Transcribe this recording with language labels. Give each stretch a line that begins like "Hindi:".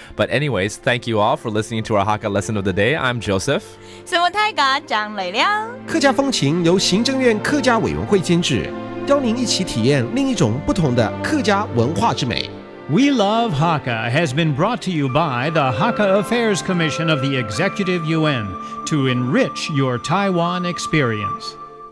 English: But anyways, thank you all for listening to our Hakka lesson of the day. I'm Joseph. 什么泰嘎张磊亮。
Chinese: 客家风情由行政院客家委员会监制，邀您一起体验另一种不同的客家文化之美。
English: We Love Hakka has been brought to you by the Hakka Affairs Commission of the Executive UN to enrich your Taiwan experience.